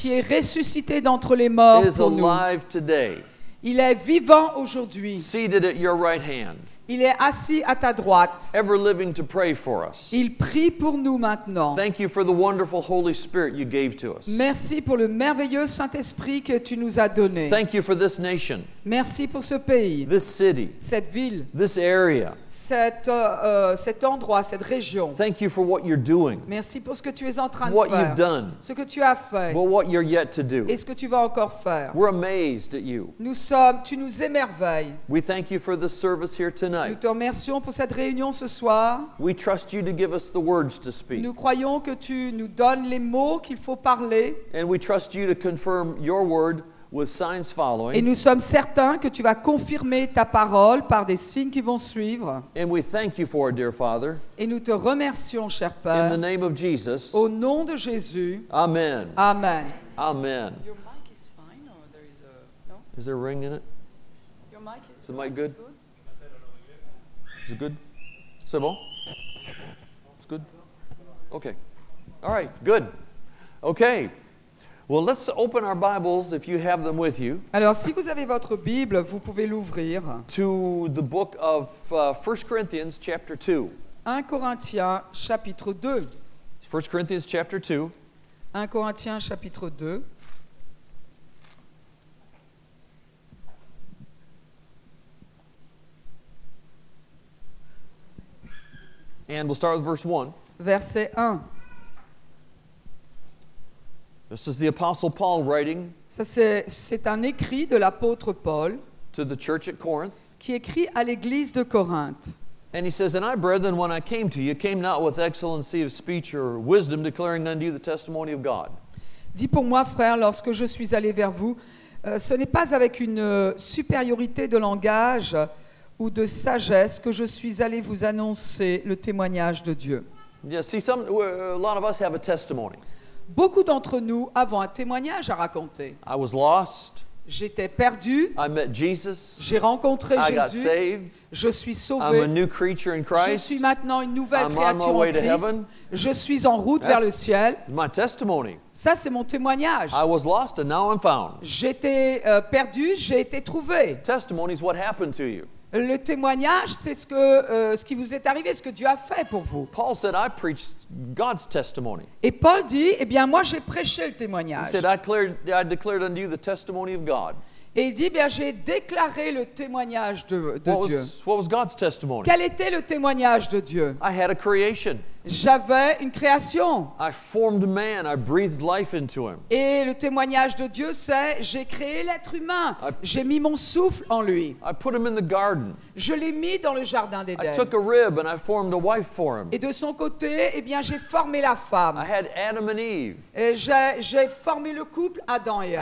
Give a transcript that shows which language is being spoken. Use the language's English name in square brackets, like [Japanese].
[French] Qui est ressuscité d'entre les morts pour nous. [English] Is alive today. [French] Il est vivant aujourd'hui. [English] Seated at your right hand. [French] Il est assis à ta droite. [English] Ever living to pray for us. [French] Il prie pour nous maintenant. [English] Thank you for the wonderful Holy Spirit you gave to us. [French] Merci pour le merveilleux Saint-Esprit que tu nous as donné. [English] Thank you for this nation. [French] Merci pour ce pays. [English] This city. [French] Cette ville. [English] This area. [French] Cet endroit, cette région. [English] Thank you for what you're doing. [French] Merci pour ce que tu es en train [English] what [French] de faire. [English] You've done. [French] Ce que tu as fait. [English] But what you're yet to do. [French] Et ce que tu vas encore faire. [English] We're amazed at you. [French] Tu nous émerveilles. [English] We thank you for the service here tonight. [French] Nous te remercions pour cette réunion ce soir. [English] We trust you to give us the words to speak. [French] Nous croyons que tu nous donnes les mots qu'il faut parler. [English] And we trust you to confirm your word. With signs following. [French] Et nous sommes certains que tu vas confirmer ta parole par des signes qui vont suivre. [English] And we thank you for it, dear Father. [French] Et nous te remercions, cher Père. [English] In the name of Jesus. [French] Au nom de Jésus. [English] Amen. [French] Amen. Amen. [English] Your mic is fine, or there is a no? Is there a ring in it? Your mic is, is the mic good? Good? Is it good? [French] C'est bon? [English] It's good. Okay. All right. Good. Okay. Well, let's open our Bibles if you have them with you. [French] Alors, si vous avez votre Bible, vous pouvez l'ouvrir. [English] To the book of 1 Corinthians chapter 2. [French] 1 Corinthiens chapitre 2. [English] 1 Corinthians chapter 2. [French] 1 Corinthiens chapitre 2. [English] And we'll start with verse 1. [French] Verset 1. [English] This is the Apostle Paul writing [French] Ça, c'est un écrit de l'apôtre Paul [English] to the church at Corinth. [French] Qui écrit à l'église de Corinthe. [English] And he says, and I, brethren, when I came to you, came not with excellency of speech or wisdom, declaring unto you the testimony of God. [French] Dis pour moi, frère, lorsque je suis allé vers vous, ce n'est pas avec une supériorité de langage ou de sagesse que je suis allé vous annoncer le témoignage de Dieu. [English] Yeah, see, a lot of us have a testimony. [French] Beaucoup d'entre nous avons un témoignage à raconter. [English] I was lost. [French] J'étais perdu. [English] I met Jesus. [French] J'ai rencontré [English] I [French] Jésus. [English] Got saved. [French] Je suis sauvé. [English] I'm a new creature in Christ. [French] Je suis maintenant une nouvelle [English] I'm [French] créature [English] on my way [French] en Christ. [English] To heaven. [French] Je suis en route [English] That's [French] vers le ciel. [English] My testimony. [French] Ça, c'est mon témoignage. [English] I was lost and now I'm found. [French] J'étais perdu, j'ai été trouvé. [English] The testimony is what happened to you. [French] Le témoignage, c'est ce qui vous est arrivé, ce que Dieu a fait pour vous. [English] Paul said, I preached God's testimony. [French] Et Paul dit, eh bien, moi, j'ai prêché le témoignage. [English] He said, I declared unto you the testimony of God. [French] Et il dit, bien, j'ai déclaré le témoignage de [English] what [French] Dieu. [English] Was, what was God's testimony? [French] Quel était le témoignage de Dieu? [English] I had a creation. [French] J'avais une création. [English] I formed man. I breathed life into him. [French] Et le témoignage de Dieu, c'est j'ai créé l'être humain. J'ai mis mon souffle en lui. [English] I put him in the garden. [French] Je l'ai mis dans le jardin d'Éden. [English] I took a rib and I formed a wife for him. [French] Et de son côté, eh bien, j'ai formé la femme. [English] I had Adam and Eve. [French] Et j'ai formé le couple Adam et Ève.